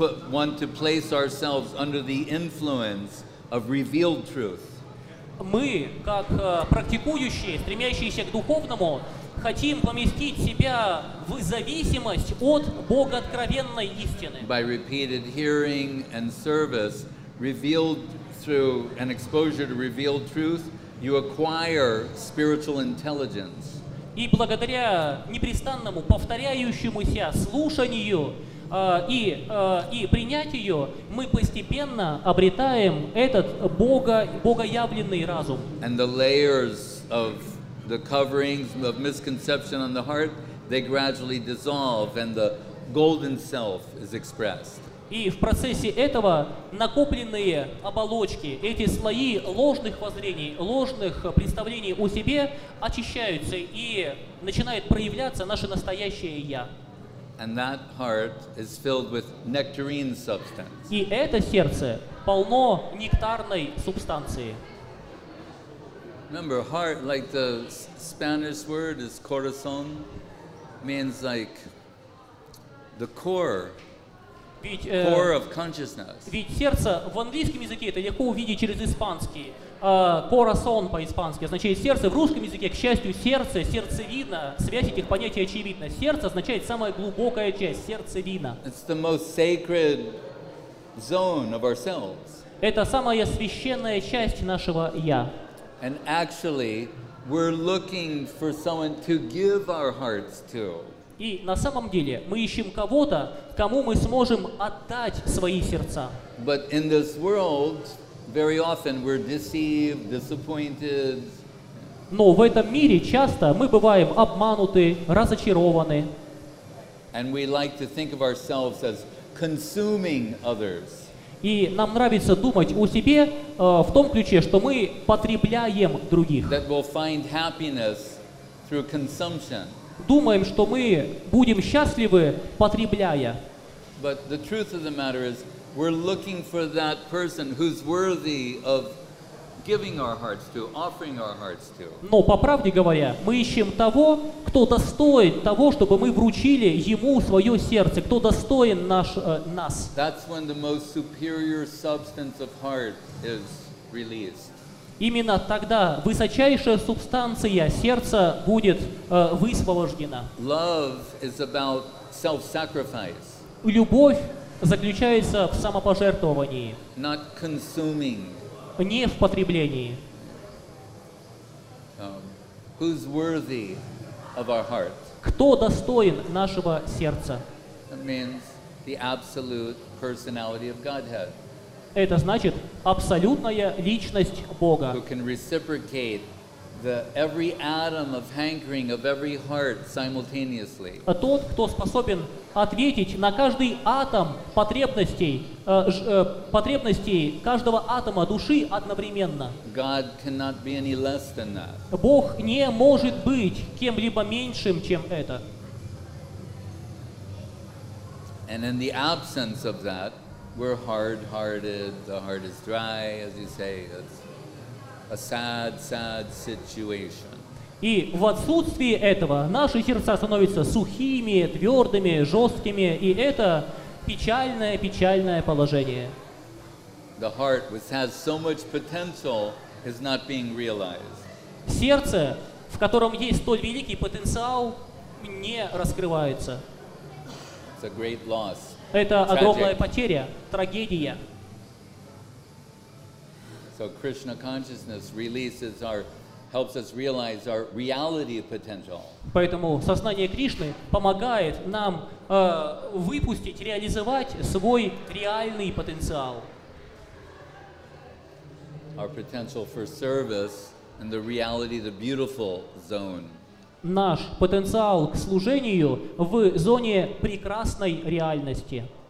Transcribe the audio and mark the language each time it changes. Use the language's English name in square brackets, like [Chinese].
[English] want to place ourselves under the influence of revealed truth. [Russian] Мы, как практикующие, стремящиеся к духовному, хотим поместить себя в зависимость от богооткровенной истины. [English] By repeated hearing and service, revealed through an exposure to revealed truth, you acquire spiritual intelligence. [Russian] И благодаря непрестанному повторяющемуся слушанию и принятию, мы постепенно обретаем этот богоявленный разум. [English] And the layers of the coverings of misconception on the heart, they gradually dissolve and the golden self is expressed. [Russian] И в процессе этого накопленные оболочки, эти слои ложных воззрений, ложных представлений о себе очищаются и начинает проявляться наше настоящее «я». [English] And that heart is filled with nectarine substance. [Russian] И это сердце полно нектарной субстанции. [English] Remember, heart, like the Spanish word is corazón, means like the core. Core of consciousness. [Russian] Ведь сердце в английском языке это легко увидеть через испанский. Corazón по-испански означает сердце. В русском языке, к счастью, сердце, сердцевина. Связь этих понятий очевидна. Сердце означает самая глубокая часть, сердцевина. [English] It's the most sacred zone of ourselves. [Russian] Это самая священная часть нашего я. [English] And actually, we're looking for someone to give our hearts to. [Russian] И на самом деле мы ищем кого-то, кому мы сможем отдать свои сердца. [English] But in this world, very often we're deceived, disappointed. [Russian] Но в этом мире часто мы бываем обмануты, разочарованы. [English] And we like to think of ourselves as consuming others. [Russian] И нам нравится думать о себе в том ключе, что мы потребляем других. [English] That we'll find happiness through consumption. [Russian] Думаем, что мы будем счастливы, потребляя. [English] But the truth of the matter is, we're looking for that person who's worthy of giving our hearts to, offering our hearts to. [Russian] Но по правде говоря, мы ищем того, кто достоин того, чтобы мы вручили ему свое сердце, кто достоин нас. [English] That's when the most superior substance of heart is released. [Russian] Именно тогда высочайшая субстанция сердца будет высвобождена. [English] Love is about self-sacrifice. [Russian] Любовь заключается в самопожертвовании. [English] Not consuming. [Russian] Не в потреблении. [English] Who's worthy of our heart? [Russian] Кто достоин нашего сердца? [English] That means the absolute personality of Godhead. [Russian] Это значит абсолютная личность Бога. [English] Who can reciprocate the every atom of hankering of every heart simultaneously. [Russian] А тот, кто способен ответить на каждый атом потребностей каждого атома души одновременно. [English] God cannot be any less than that. [Russian] Бог не может быть кем-либо меньшим, чем это. [English] And in the absence of that, we're hard-hearted, the heart is dry, as you say, it's a sad, sad situation. [Russian] И в отсутствии этого наши сердца становятся сухими, твердыми, жесткими, и это печальное положение. [English] The heart, which has so much potential, is not being realized. [Russian] Сердце, в котором есть столь великий потенциал, не раскрывается. [English] It's a great loss. [Russian] Это огромная потеря, трагедия. [English] So Krishna consciousness releases our, helps us realize our reality potential. [Russian] Поэтому сознание Кришны помогает нам выпустить, реализовать свой реальный потенциал. [English] Our potential for service and the reality, the beautiful zone. [Russian] Наш потенциал к служению в зоне прекрасной реальности.